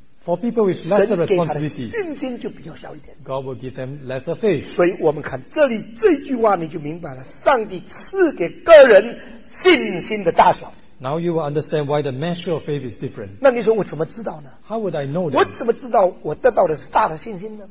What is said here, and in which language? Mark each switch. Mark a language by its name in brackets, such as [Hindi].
[English] for people with lesser responsibility, God will give them lesser faith. [Chinese] 所以我们看这里这句话你就明白了,上帝赐给个人信心的大小。 [English] Now you will understand why the measure of faith is different. [Chinese] 那你说我怎么知道呢? [English] How would I know that? [Chinese] 我怎么知道我得到的是大的信心呢?